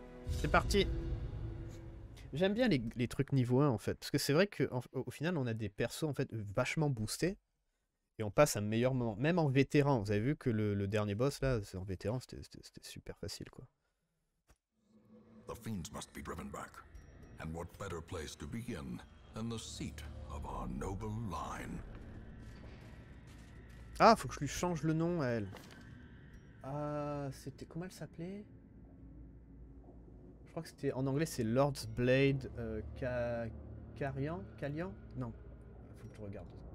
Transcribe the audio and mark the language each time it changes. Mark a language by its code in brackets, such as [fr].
[fr] C'est parti! J'aime bien les trucs niveau 1 en fait, parce que c'est vrai qu'au final on a des persos en fait vachement boostés et on passe un meilleur moment, même en vétéran. Vous avez vu que le dernier boss là, en vétéran, c'était super facile quoi. [en] The fiends must be driven back, and what better place to begin than the seat of our noble line? [fr] Ah, faut que je lui change le nom à elle. C'était comment elle s'appelait? Je crois que c'était en anglais, c'est Lord's Blade Carian, Kalian? Non, faut que je regarde.